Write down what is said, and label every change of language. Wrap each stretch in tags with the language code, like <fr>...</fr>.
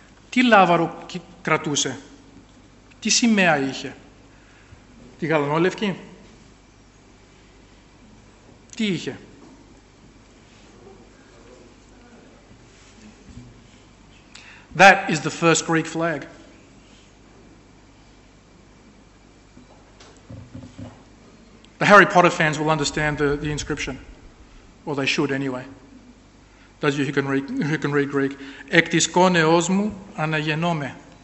<el>Τι λάβαρο κρατούσε, τι σημαία είχε, τη γαλανόλευκη, τι είχε.</el> <en>That is the first Greek flag. The Harry Potter fans will understand the inscription. Well, they should anyway. Those of you who can read Greek.</en> <el>Εκ της κόνεώς μου αναγεννώμαι.</el>